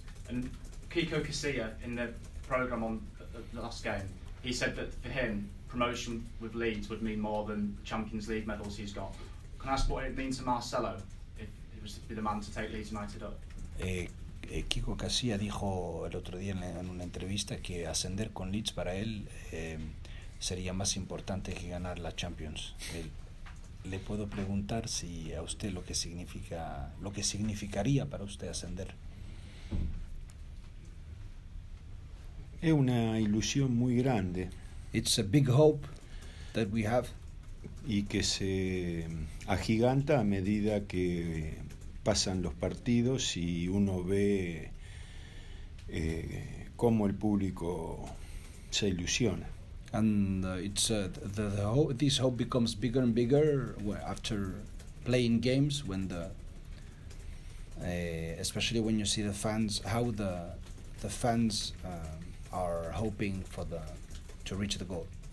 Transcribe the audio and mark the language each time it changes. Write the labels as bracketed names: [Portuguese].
[English] And Kiko Casilla, in the program on the last game, he said that for him, promotion with Leeds would mean more than the Champions League medals he's got. Can I ask what it means to Marcelo if he was to be the man to take Leeds United up? [Spanish] Kiko Casilla dijo el otro día en una entrevista que ascender con Leeds para él sería más importante que ganar la Champions. Le puedo preguntar si a usted lo que significaría para usted ascender. Es una ilusión muy grande. [English] It's a big hope that we have. [Spanish] Y que se agiganta a medida que pasan los partidos y uno ve cómo el público se ilusiona. [English] And it's this hope becomes bigger and bigger after playing games, when the especially when you see the fans, how the fans are hoping for the to reach the goal.